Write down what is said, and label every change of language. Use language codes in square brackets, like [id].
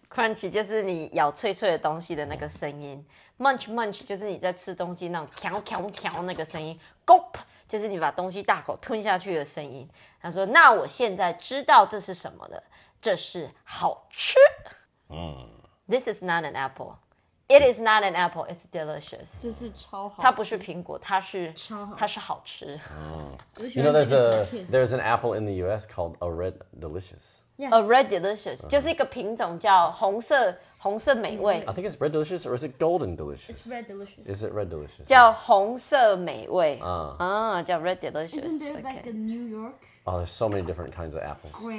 [zh] Crunch 就是你咬脆脆的东西的那个声音 ，Munch Munch 就是你在吃东西那种嚼嚼嚼那个声音 ，Gulp 就是你把东西大口吞下去的声音。他说：“那我现在知道这是什么了，这是好吃。” [en] This is not an apple. It is not an apple, it's delicious. [zh] 这是超好吃。它不是苹果，它是超好，它是好吃。 [en] You know, there's an apple in the US called a red delicious. Yeah. A red delicious, [zh] 就是一个品种叫红色美味。 [en] I think it's red delicious or is it golden delicious? It's red delicious. Is it red delicious? [zh] 叫红色美味。叫red delicious. [en] Isn't there like a New York? Oh, there's so many different kinds of apples.